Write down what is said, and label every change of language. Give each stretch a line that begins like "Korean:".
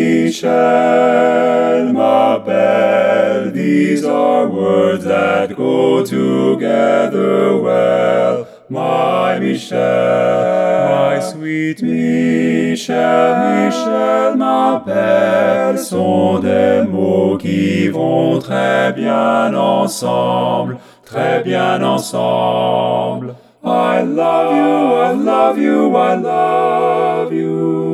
English: Michel,
French: ma belle,
English: these are words that go together well. My Michel, my sweet
French: Michel, Michel, ma belle, sont des mots qui vont très bien ensemble, très bien ensemble.
English: I love you, I love you, I love you.